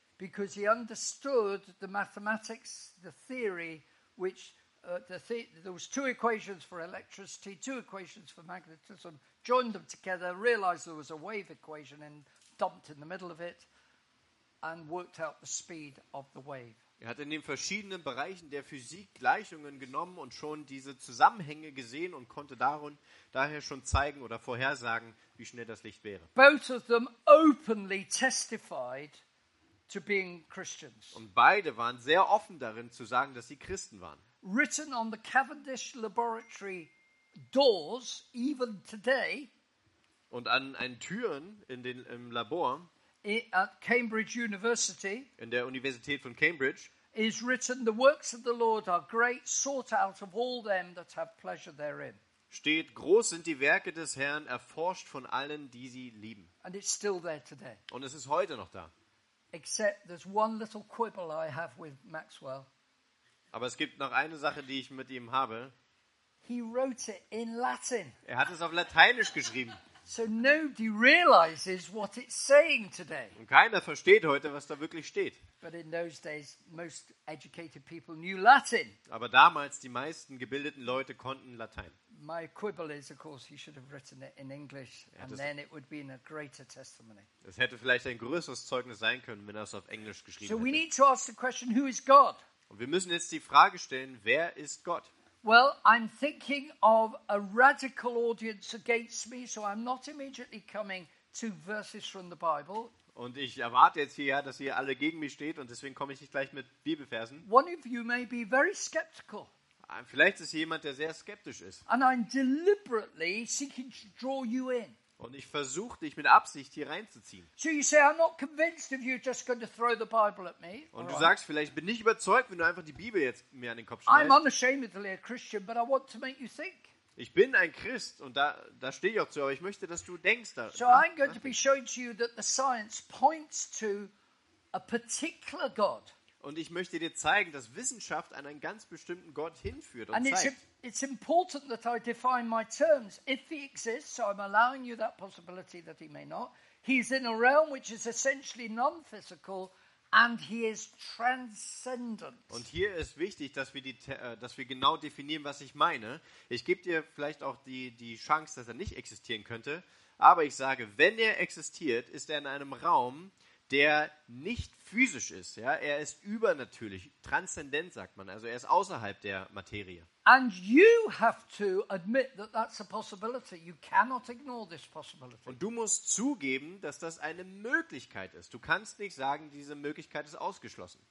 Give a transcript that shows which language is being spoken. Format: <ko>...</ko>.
<en>Because he understood the mathematics, the theory, which there was two equations for electricity, two equations for magnetism, joined them together, realized there was a wave equation and dumped in the middle of it and worked out the speed of the wave.</en> <de>Er hat in den verschiedenen Bereichen der Physik Gleichungen genommen und schon diese Zusammenhänge gesehen und konnte daher schon zeigen oder vorhersagen, wie schnell das Licht wäre.</de> <en>Both of them openly testified to being Christians.</en> <de>Und beide waren sehr offen darin zu sagen, dass sie Christen waren.</de> <en>Written on the Cavendish Laboratory doors, even today,</en> <de>und an den Türen in den im Labor</de> <en>at Cambridge University,</en> <de>in der Universität von Cambridge,</de> <en>is written, the works of the Lord are great, sought out of all them that have pleasure therein.</en> <de>Steht, groß sind die Werke des Herrn, erforscht von allen, die sie lieben.</de> <en>And it's still there today.</en> <de>Und es ist heute noch da.</de> <en>Except there's one little quibble I have with Maxwell.</en> <de>Aber es gibt noch eine Sache, die ich mit ihm habe.</de> <en>He wrote it in Latin.</en> <de>Er hat es auf Lateinisch geschrieben.</de> <en>So nobody realizes what it's saying today.</en> <de>Und keiner versteht heute, was da wirklich steht.</de> <en>But in those days, most educated people knew Latin.</en> <de>Aber damals, die meisten gebildeten Leute konnten Latein.</de> <en>My quibble is, of course, he should have written it in English, and then it would be in a greater testimony.</en> <de>Es hätte vielleicht ein größeres Zeugnis sein können, wenn er es auf Englisch geschrieben hätte.</de> <en>So we need to ask the question, who is God?</en> <de>Und wir müssen jetzt die Frage stellen, wer ist Gott?</de> <en>Well, I'm thinking of a radical audience against me, so I'm not immediately coming to verses from the Bible.</en> <de>Und ich erwarte jetzt hier, dass ihr alle gegen mich steht, und deswegen komme ich nicht gleich mit Bibelversen.</de> <en>One of you may be very skeptical.</en> <de>Vielleicht ist hier jemand, der sehr skeptisch ist.</de> <en>And I'm deliberately seeking to draw you in.</en> <de>Und ich versuche, dich mit Absicht hier reinzuziehen.</de> <en>So you say, I'm not convinced if you're just going to throw the Bible at me.</en> <de>Und all du sagst, vielleicht bin ich überzeugt, wenn du einfach die Bibel jetzt mir an den Kopf schmeißt.</de> <en>I'm unashamedly a Christian, but I want to make you think.</en> <de>Ich bin ein Christ und da stehe ich auch zu, aber ich möchte, dass du denkst.</de> <en>So I'm going to be showing to you that the science points to a particular God.</en> <de>Und ich möchte dir zeigen, dass Wissenschaft an einen ganz bestimmten Gott hinführt und zeigt.</de> <en>It's important that I define my terms. If he exists, so I'm allowing you that possibility that he may not. He's in a realm which is essentially non-physical and he is transcendent.</en> <de>Und hier ist wichtig, dass wir dass wir genau definieren, was ich meine. Ich gebe dir vielleicht auch die Chance, dass er nicht existieren könnte, aber ich sage, wenn er existiert, ist er in einem Raum, der nicht physisch ist. Ja? Er ist übernatürlich, transzendent, sagt man. Also er ist außerhalb der Materie.</de> <en>And you have to admit that that's a possibility. You cannot ignore this possibility.</en> <de>Und du musst zugeben, dass das eine Möglichkeit ist. Du kannst nicht sagen, diese Möglichkeit ist ausgeschlossen.</de>